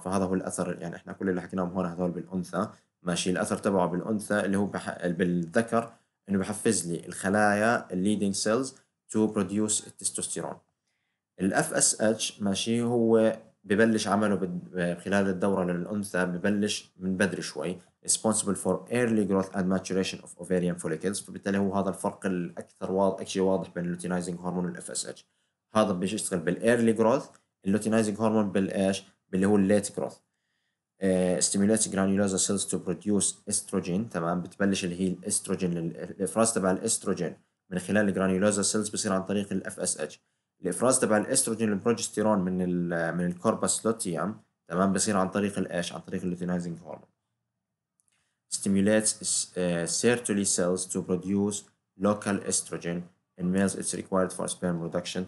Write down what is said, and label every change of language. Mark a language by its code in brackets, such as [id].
[ar] فهذا هو الأثر، يعني إحنا كل اللي حكيناهم هون هذول بالأنثى، ماشي، الأثر تبعه بالأنثى اللي هو بالذكر إنه بحفز لي الخلايا [en] leading cells to produce testosterone. [ar] FSH، ماشي، هو ببلش عمله خلال الدورة للأنثى، ببلش من بدري شوي. [en] responsible for early growth and maturation of ovarian follicles، [ar] فبالتالي هو هذا الفرق الاكثر واضح بين luteinizing hormone وال FSH، هذا بيشتغل بال early growth، luteinizing hormone بالايش، باللي هو late growth. [en] stimulates granulosa cells to produce estrogen، [ar] تمام، بتبلش اللي هي الاستروجين، الافراز تبع الاستروجين من خلال granulosa cells بصير عن طريق ال FSH، الافراز تبع الاستروجين البروجستيرون من الكوربس لوتيام، تمام، بصير عن طريق الايش، عن طريق luteinizing hormone. [en] stimulates Sertoli cells to produce local estrogen in males it's required for sperm production.